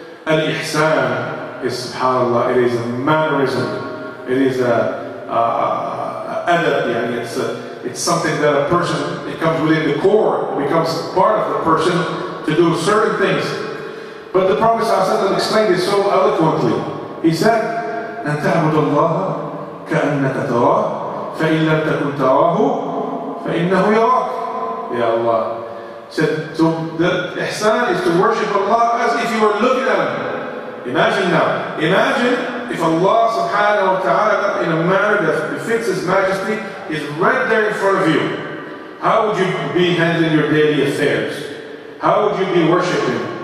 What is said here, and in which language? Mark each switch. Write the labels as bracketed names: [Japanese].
[English] Al Ihsan is, SubhanAllah, it is a mannerism. It is an adab. Yani it's something that a person, it comes within the core, becomes part of the person to do certain things. But the Prophet ﷺ explained it so eloquently. He said, [Arabic] أن تعبد الله كأنك تراه فإن لم تكن تراه فإنه يراك. Ya Allah. [English] So the Ihsan is to worship Allah as if you were looking at Him. Imagine now. Imagine if Allah subhanahu wa ta'ala in a manner that befits His majesty is right there in front of you. How would you be handling your daily affairs? How would you be worshiping?